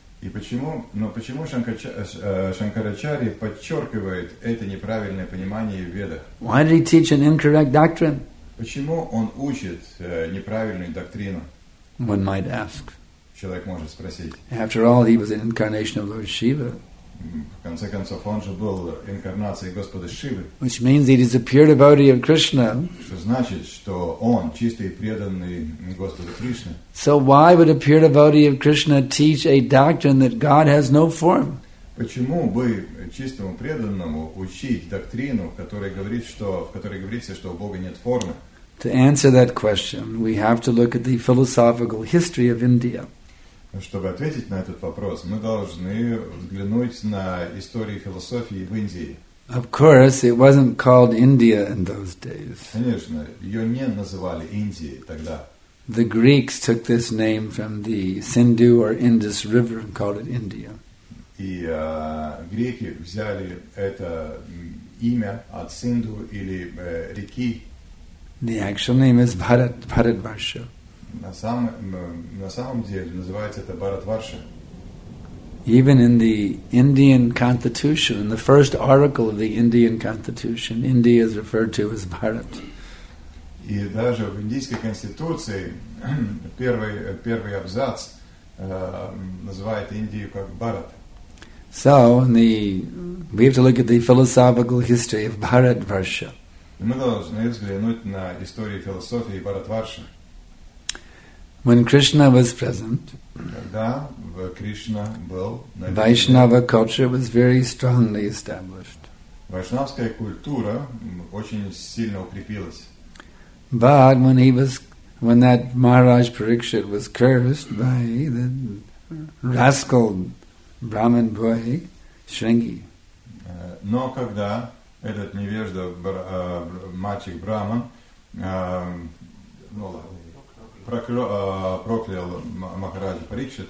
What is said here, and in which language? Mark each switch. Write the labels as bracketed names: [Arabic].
[Russian] И почему, но почему Шанкарачарья подчеркивает это неправильное понимание в Ведах? [English] Why did he teach an incorrect doctrine? [Russian] Почему он учит неправильную доктрину? [English] One might ask. [Russian] Человек может спросить. [English] After all, he was an incarnation of Lord Shiva. [Russian] В конце концов, он же был инкарнацией Господа Шивы. [English] Which means he is a pure devotee of Krishna. [Russian] Что значит, что он чистый и преданный Господу Кришне. [English] So why would a pure devotee of Krishna teach a doctrine that God has no form? [Russian] Почему бы чистому преданному учить доктрину, в которой говорится, что у Бога нет формы? [English] To answer that question, we have to look at the philosophical history of India. [Russian] Чтобы ответить на этот вопрос, мы должны взглянуть на историю философии в Индии. [English] Of course, it wasn't called India in those days. [Russian] Конечно, ее не называли Индией тогда. [English] The Greeks took this name from the Sindhu or Indus River and called it India. [Russian] И греки взяли это имя от Синду или реки. [English] The actual name is Bharatvarsha. [Russian] На самом деле называется это Бхаратварша. [English] Even in the Indian Constitution, in the first article of the Indian Constitution, India is referred to as Bharat. [Russian] И даже в индийской конституции первый абзац называет Индию как Бхарат. [English] So we have to look at the philosophical history of Bharatvarsha. [Russian] Мы должны взглянуть на историю философии Бхаратварши. [English] When Krishna was present, [Russian] Krishna был, [English] Vaishnava culture was very strongly established. [Russian] Вайшнавская культура очень сильно укрепилась. [English] But when that Maharaj Parikshit was cursed by the rascal Brahmin boy Sringi. [Russian] Но когда этот невежда мальчик Брахман, ну ладно. Проклял Махараджа Парикшит.